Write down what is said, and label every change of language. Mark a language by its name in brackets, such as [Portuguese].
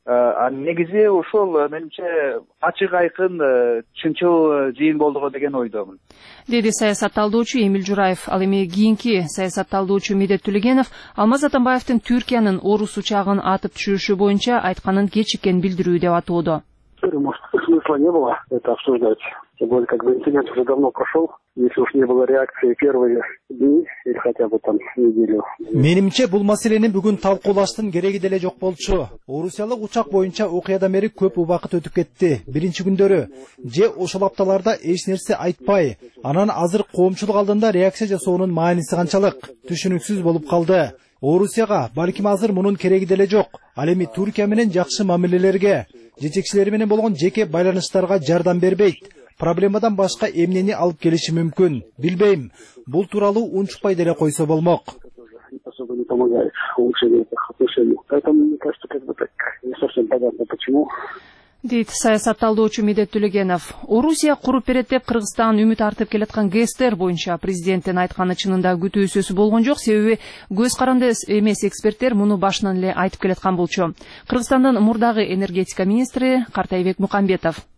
[Kyrgyz] Негизи ошол менимче ачык айкын чынчыл жыйын болдуго деген ойдомун, деди саясат талдоочу Эмиль Жураев. Ал эми кийинки саясат талдоочу Медет Түлегенов Алмаз Атамбаевдин Түркиянын орус учагын атып түшүрүшү боюнча айтканын кечиккен билдирүү деп атоодо. [Russian] Смысла не было это обсуждать. Тем более, как бы инцидент уже давно прошел. Если уж не было реакции первые дни или хотя бы там неделю. [Kyrgyz] Менимче бул маселенин бүгүн талкуулаштын кереги деле жок болчу. Орусиялык учак боюнча окуядан бери көп убакыт өтүп кетти. Биринчи күндөрү же ошол апталарда эч нерсе айтпай, анан азыр коомчулук алдында реакция жасоонун мааниси канчалык түшүнүксүз болуп калды. Орусияга балким азыр мунун кереги деле жок. Ал эми Түркия менен жакшы мамилелерге, жетекчилери менен болгон жеке байланыштарга жардам бербейт. Проблемадан башка эмнени алып келиши мүмкүн? Билбейм. Бул тууралуу унчукпай деле койсо болмок. [Russian] особо не помогает улучшению этих отношений. Поэтому мне кажется, как бы так не совсем понятно, почему. [Kyrgyz] Дейт саясат талдоочу Медет Түлегенов. Орусия куруп берет деп Кыргызстан үмүт артып келаткан гестер боюнча президенттин айтканы чынында күтүү сөзү болгон жок, себеби көз каранды эмес эксперттер муну башынан эле айтып келаткан болчу. Кыргызстандын мурдагы энергетика министри Картайбек Мукамбетов.